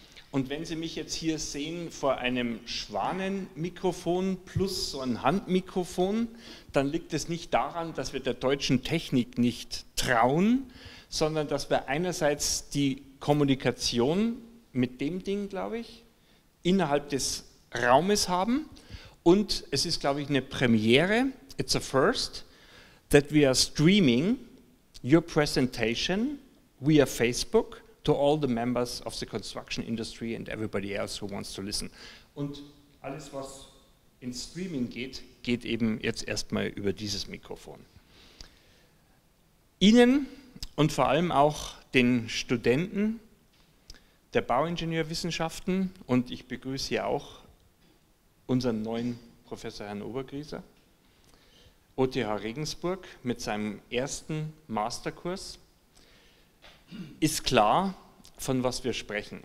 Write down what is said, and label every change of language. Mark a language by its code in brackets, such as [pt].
[de] Und wenn Sie mich jetzt hier sehen vor einem Schwanenmikrofon plus so ein Handmikrofon, dann liegt es nicht daran, dass wir der deutschen Technik nicht trauen, sondern dass wir einerseits die Kommunikation mit dem Ding, glaube ich, innerhalb des Raumes haben. Und es ist, glaube ich, eine Premiere, [en] it's a first, that we are streaming your presentation via Facebook to all the members of the construction industry and everybody else who wants to listen. [de] Und alles, was ins Streaming geht, geht eben jetzt erstmal über dieses Mikrofon. Ihnen und vor allem auch den Studenten der Bauingenieurwissenschaften und ich begrüße hier auch unseren neuen Professor Herrn Obergrieser, OTH Regensburg mit seinem ersten Masterkurs, ist klar, von was wir sprechen.